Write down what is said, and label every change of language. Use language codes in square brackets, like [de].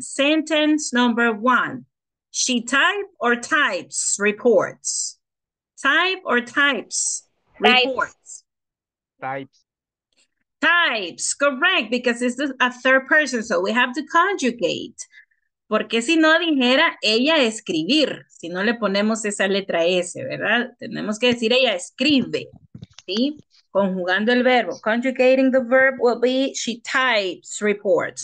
[en] Sentence number one. She type or types reports? Type or types reports? Types, correct, because it's a third person, so we have to conjugate. [es] Porque si no dijera ella escribir, si no le ponemos esa letra S, ¿verdad? Tenemos que decir ella escribe, ¿sí? Conjugando el verbo. [en] Conjugating the verb will be she types reports.